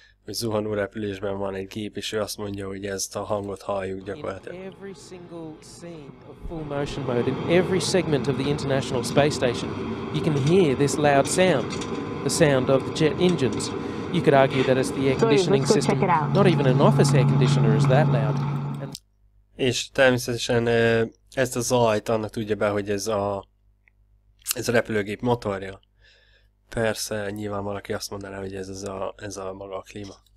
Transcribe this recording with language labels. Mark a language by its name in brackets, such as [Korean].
[Hungarian] hogy zuhanó repülésben van egy gép, és ő azt mondja, hogy ezt a hangot halljuk gyakorlatilag. [English] In every single scene of full motion mode, in every segment of the International Space Station, you can hear this loud sound, the sound of the jet engines. You could argue that it's the air conditioning system. Not even an office air conditioner is that loud. [Hungarian] És természetesen ezt a zajt annak tudja be, hogy ez a repülőgép motorja. Persze, nyilván valaki azt mondaná, hogy ez a maga a klíma.